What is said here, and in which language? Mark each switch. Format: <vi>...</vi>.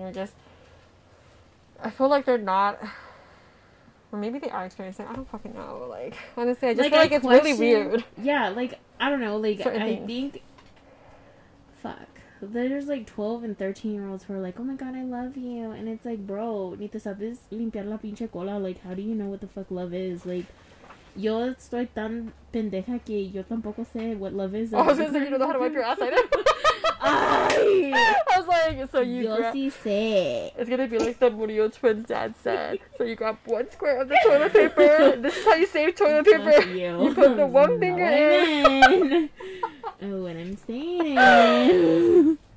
<en>Or just, I feel like they're not, or maybe they are experiencing, I don't fucking know. Like, honestly, I just, like, feel like it's really weird. Yeah, like, I don't know. Like, certain I things. Think, fuck. There's, like, 12 and 13-year-olds who are like, oh my god, I love you. And it's like, bro,</en> <es>ni te sabes limpiar la pinche cola.</es> <en>Like, how do you know what the fuck love is?</en> <es>Like, yo estoy tan pendeja que yo tampoco sé</es> <en>what love is. I was gonna say, you don't know how to wipe your ass either. I was like, so you it's gonna be like the Murillo twins dad said. So you grab one square of the toilet paper. This is how you save toilet paper. You put the one finger in. Oh, what I'm saying.</en>